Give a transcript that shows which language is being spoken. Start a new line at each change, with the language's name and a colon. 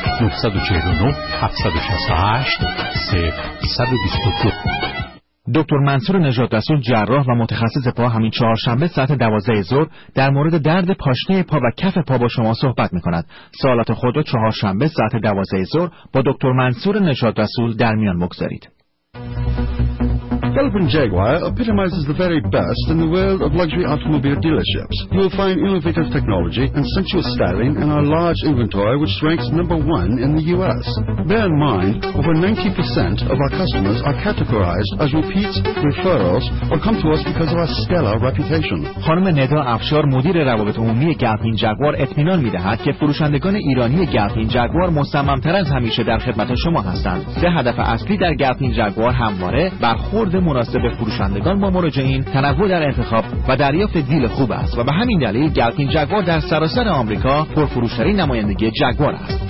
Persian: 949-768-122. دکتر منصور نجات رسول، جراح و متخصص پا، همین چهارشنبه ساعت 12 ظهر در مورد درد پاشنه پا و کف پا با شما صحبت می‌کند. سوالات خود را چهارشنبه ساعت 12 ظهر با دکتر منصور نجات رسول در میان بگذارید.
English: Galopin Jaguar epitomizes the very best in the world of luxury automobile dealerships. You will find innovative technology and sensuous styling in our large inventory, which ranks number one in the U.S. Bear in mind, over 90% of our customers are categorized as repeats, referrals, or come to us because of our stellar reputation.
Persian: خانم ندا افشار، مدیر روابط عمومی Galopin Jaguar، اطمینان می‌دهد که فروشندگان ایرانی Galopin Jaguar مصمم‌تر از همیشه در خدمت شما هستند. سه هدف اصلی در Galopin Jaguar همواره برخورد مناسب فروشندگان با مراجعین، تنوع در انتخاب و دریافت دیل خوب است و به همین دلیل Galopin Jaguar در سراسر آمریکا پرفروش‌ترین نمایندگی جگوار است.